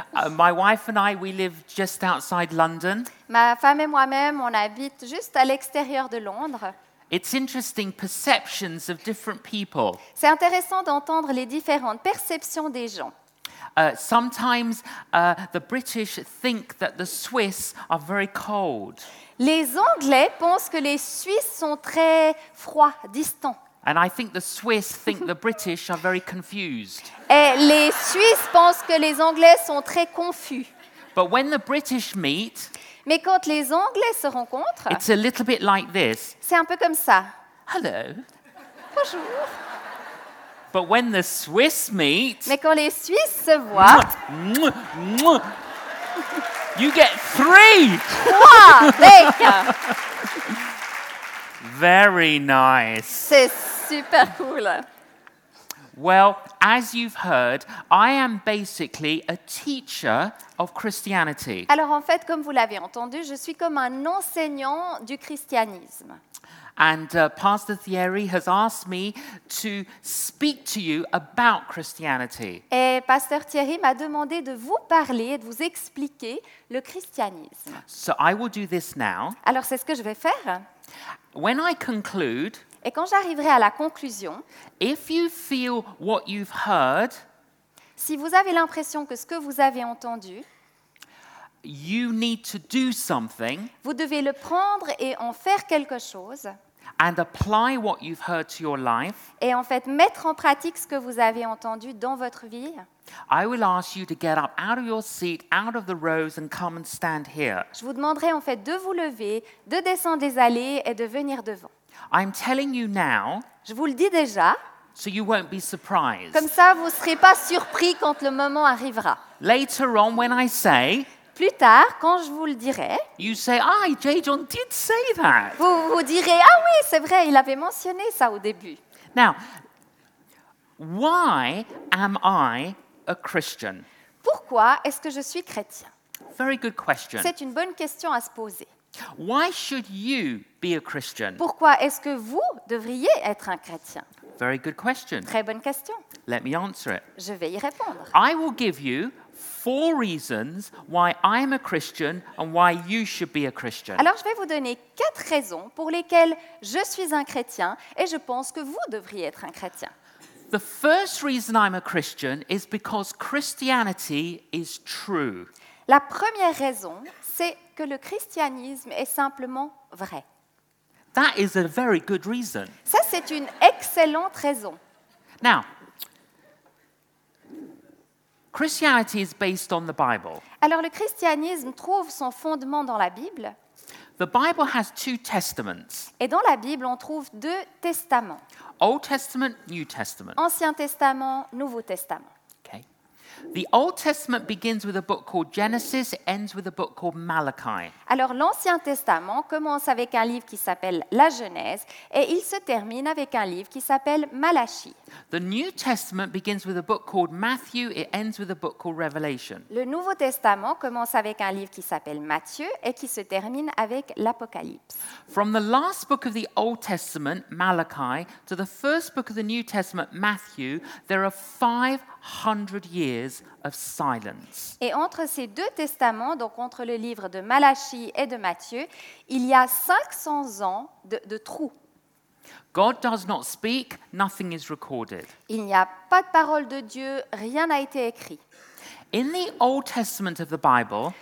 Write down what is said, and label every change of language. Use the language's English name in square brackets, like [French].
[English] My wife and I, we live just outside London. [French] Ma femme et moi-même, on habite juste à l'extérieur de Londres. [English] It's interesting perceptions of different people. [French] C'est intéressant d'entendre les différentes perceptions des gens. [English] Sometimes the British think that the Swiss are very cold. [French] Les Anglais pensent que les Suisses sont très froids, distants. [English] And I think the Swiss think the British are very confused. [French] Et les Suisses pensent que les Anglais sont très confus. [English] But when the British meet, [French] mais quand les Anglais se rencontrent, [English] it's a little bit like this. [French] C'est un peu comme ça. [English] Hello. [French] Bonjour. [English] But when the Swiss meet, [French] mais quand les Suisses se voient, [English] you get three. [French] Trois. [English] Very nice. [French] C'est super cool. [English] Well, as you've heard, I am basically a teacher of Christianity. [French] Alors en fait, comme vous l'avez entendu, je suis comme un enseignant du christianisme. [English] And Pastor Thierry has asked me to speak to you about Christianity. [French] Et Pasteur Thierry m'a demandé de vous parler et de vous expliquer le christianisme. [English] So I will do this now. [French] Alors c'est ce que je vais faire. [English] When I conclude, [French] et quand j'arriverai à la conclusion, [English] if you feel what you've heard, [French] si vous avez l'impression que ce que vous avez entendu, [English] you need to do something. [French] Vous devez le prendre et en faire quelque chose. [English] And apply what you've heard to your life. [French] Et en fait, mettre en pratique ce que vous avez entendu dans votre vie. [English] I will ask you to get up out of your seat, out of the rows, and come and stand here. [French] Je vous demanderai en fait de vous lever, de descendre les allées et de venir devant. [English] I'm telling you now. [French] Je vous le dis déjà. [English] So you won't be surprised. [French] Comme ça, vous ne serez pas surpris quand le moment arrivera. [English] Later on, when I say. [French] Plus tard, quand je vous le dirai, [English] you say, ah, Jay John did say that. [French] Vous vous direz, ah oui, c'est vrai, il avait mentionné ça au début. [English] Now, why am I a Christian? [French] Pourquoi est-ce que je suis chrétien? [English] Very good question. [French] C'est une bonne question à se poser. [English] Why should you be a Christian? [French] Pourquoi est-ce que vous devriez être un chrétien? [English] Very good question. [French] Très bonne question. [English] Let me answer it. [French] Je vais y répondre. [English] I will give you four reasons why I am a Christian and why you should be a Christian. [French] Alors je vais vous donner quatre raisons pour lesquelles je suis un chrétien et je pense que vous devriez être un chrétien. [English] The first reason I'm a Christian is because Christianity is true. [French] La première raison, c'est que le christianisme est simplement vrai. [English] That is a very good reason. [French] Ça, c'est une excellente raison. [English] Now, Christianity is based on the Bible. [French] Alors, le christianisme trouve son fondement dans la Bible. [English] The Bible has two testaments. [French] Et dans la Bible, on trouve deux testaments. [English] Old Testament, New Testament. [French] Ancien Testament, Nouveau Testament. [English] Okay. The Old Testament begins with a book called Genesis, ends with a book called Malachi. [French] Alors, l'Ancien Testament commence avec un livre qui s'appelle La Genèse et il se termine avec un livre qui s'appelle Malachie. [English] The New Testament begins with a book called Matthew, it ends with a book called Revelation. [French] Le Nouveau Testament commence avec un livre qui s'appelle Matthieu et qui se termine avec l'Apocalypse. [English] From the last book of the Old Testament, Malachi, to the first book of the New Testament, Matthew, there are 500 years of silence. [French] Et entre ces deux testaments, donc entre le livre de Malachie et de Matthieu, il y a 500 ans de trou. [English] God does not speak, nothing is recorded. [French] Il n'y a pas de parole de Dieu, rien n'a été écrit. [English] In the Old Testament of the Bible,